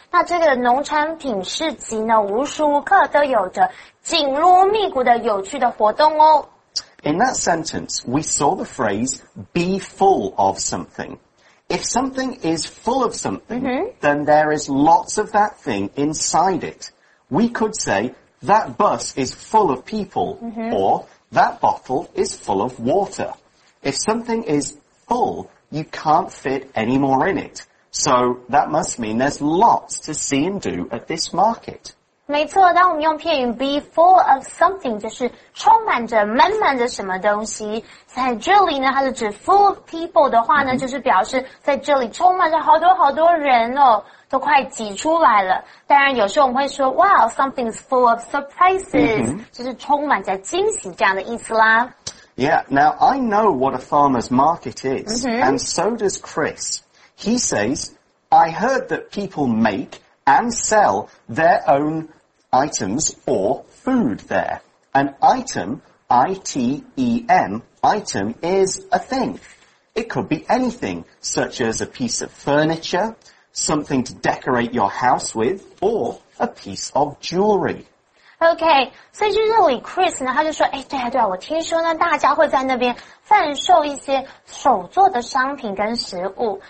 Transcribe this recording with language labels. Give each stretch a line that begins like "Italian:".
Chinese: 那这个农产品市集呢无时无刻都有着紧锣密鼓的有趣的活动哦。
English: In that sentence, we saw the phrase be full of something. If something is full of something,、mm-hmm. then there is lots of that thing inside it. We could say,That bus is full of people,、mm-hmm. or that bottle is full of water. If something is full, you can't fit any more in it. So that must mean there's lots to see and do at this market.
Chinese: 没错，当我们用片语
English: be full of something,
Chinese: 就是充满着满满的什么东西。在这里呢，它是指
English: full of people
Chinese: 的话呢、mm-hmm. 就是表示在这里充满着好多好多人哦。都快挤出来了。当然有时候我们会说
English: Wow, something is full of surprises、
Chinese: mm-hmm. 就是充满着惊喜这样的意思啦。
English: Yeah, now I know what a farmer's market is、mm-hmm. and so does Chris. He says, I heard that people make and sell their own items or food there. An item, I-T-E-M, item is a thing. It could be anything, such as a piece of furnituresomething to decorate your house with, or a piece of jewelry.
Chinese: Okay, 所以就这里 Chris 呢，他就说，哎，对啊，对啊，我听说呢，大家会在那边贩售一些手做的商品跟食物。